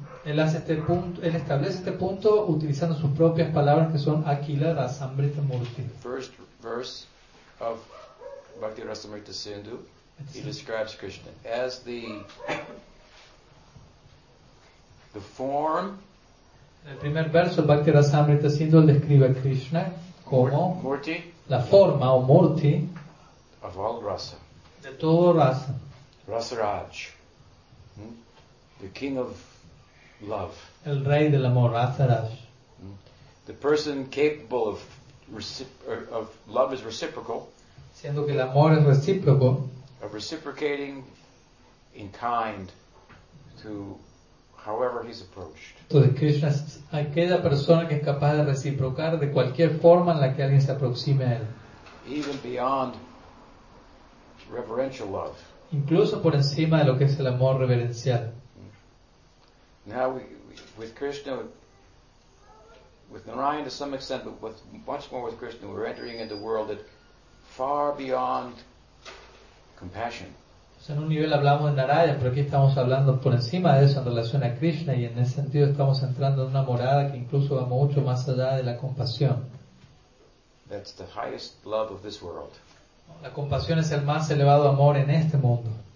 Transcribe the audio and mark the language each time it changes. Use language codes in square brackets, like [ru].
[es] Él hace este punto, él establece este punto utilizando sus propias palabras que son akila rasamrita murti. [en] First verse of Bhakti-rasamrita-sindhu, he describes Krishna as the form. [es] El primer verso Bhakti-rasamrita-sindhu describe a Krishna como [sa] murti, [es] la forma o murti [en] of all rasa. [es] De todo rasa. [en] Rasaraj, the king of love. [es] El rey del amor, Rasaraj. [en] The person capable of love is reciprocal. [es] Siendo que el amor es recíproco. [en] Of reciprocating in kind to however he's approached. [es] Entonces Krishna es aquella persona que es capaz de reciprocar de cualquier forma en la que alguien se aproxime a él. [en] Even beyond reverential love. [es] Incluso por encima de lo que es el amor reverencial. [en] Now with Krishna, with Narayana to some extent, but with much more with Krishna, we're entering into a world that far beyond compassion. [es] En un nivel hablamos de Narayana, pero aquí estamos hablando por encima de eso en relación a Krishna, y en ese sentido estamos entrando en una morada que incluso va mucho más allá de la compasión. [en] That's the highest love of this world. [es] La compasión es el más elevado amor en este mundo.